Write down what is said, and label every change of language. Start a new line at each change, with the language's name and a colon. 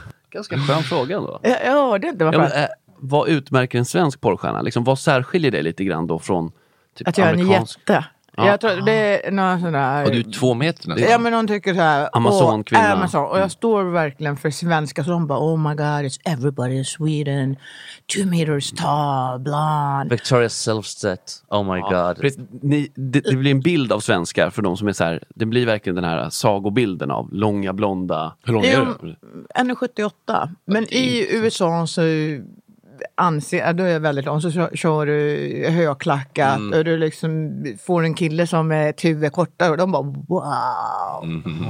Swedish: Ganska skön fråga då. Ja, det är inte varför. Ja, vad utmärker en svensk porrstjärna? Liksom, vad särskiljer det lite grann då från typ att jag amerikansk... är en jätte. Ja. Jag tror det är någon sån där... Och du är 2 meter nästan. Ja, men någon tycker så här... Amazon-kvinna. Amazon. Och jag står verkligen för svenska. Så de bara,
English: oh my god, it's everybody in Sweden. 2 meters tall, blonde. Victoria Silvstedt, oh my god.
Swedish: Det blir en bild av svenskar för de som är så här... Det blir verkligen den här sagobilden av långa, blonda... Hur lång är du? 1,78. Men i USA så... anser, då är jag väldigt lång, så kör du högklackat och du liksom får en kille som är ett huvud kortare och de bara wow.